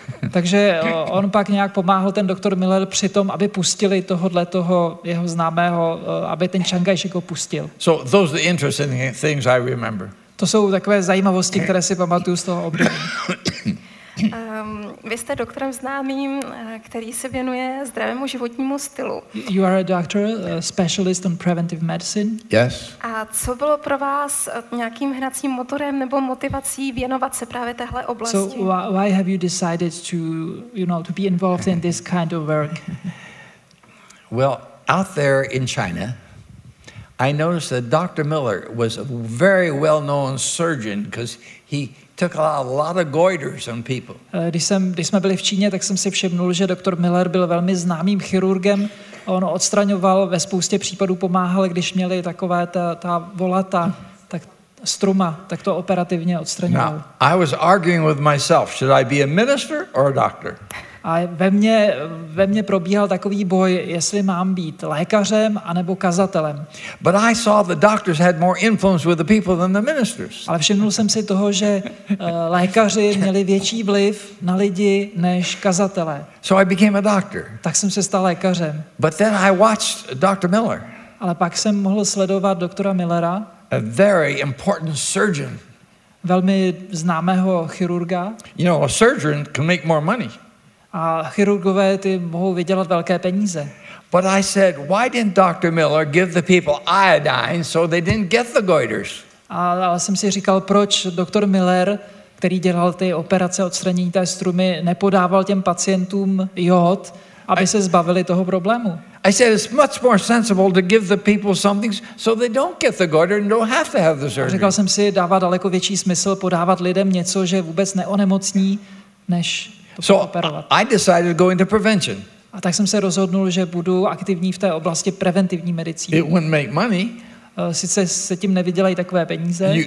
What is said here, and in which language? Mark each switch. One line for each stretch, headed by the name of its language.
Czech: Takže on pak nějak pomáhal ten doktor Miller při tom, aby pustili tohodle toho jeho známého, aby ten Chiang Kai-shek ho pustil.
English: So those are the interesting things I remember.
Czech: To jsou takové zajímavosti, které si pamatuju z toho období. Vy jste doktorem známým, který se věnuje zdravému životnímu stylu.
English: You are a doctor, a specialist on preventive medicine. Yes.
Czech: A co bylo pro vás nějakým hnacím motorem nebo motivací věnovat se právě téhle oblasti?
English: So why have you decided to, you know, to be involved in this kind of work? Well, out there in China, I noticed that Dr. Miller was a very well-known surgeon because he took a lot of goiters on people.
Czech: Když jsme byli v Číně, tak jsem si všimnul, že doktor Miller byl velmi známým chirurgem. On odstraňoval ve spoustě případů, pomáhal, když měli takové ta volata, tak struma, tak to operativně odstraňoval.
English: Now, I was arguing with myself, should I be a minister or a doctor?
Czech: A ve mně probíhal takový boj, jestli mám být lékařem anebo kazatelem.
English: But I saw the doctors had more influence with the people than the ministers.
Czech: Ale všimnul jsem si toho, že lékaři měli větší vliv na lidi než kazatelé.
English: So I became a doctor.
Czech: Tak jsem se stal lékařem.
English: But then I watched Dr. Miller.
Czech: Ale pak jsem mohl sledovat doktora Millera.
English: A very important surgeon.
Czech: Velmi známého chirurga.
English: You know, a surgeon can make more money.
Czech: A chirurgové ty mohou vydělat velké peníze.
English: But I said, why didn't Dr. Miller give the people iodine so they didn't get the goiters?
Czech: Ale jsem si říkal, proč doktor Miller, který dělal ty operace odstranění té strumy, nepodával těm pacientům jod, aby se zbavili toho problému.
English: I said it's much more sensible to give the people something so they don't get the goiter and don't have to have the surgery.
Czech: A říkal jsem si, dává daleko větší smysl podávat lidem něco, že vůbec neonemocní, než
English: So I decided to go into prevention.
Czech: A tak jsem se rozhodnul, že budu aktivní v té oblasti preventivní medicíny.
English: It wouldn't make money.
Czech: Sice se tím nevydělají takové peníze.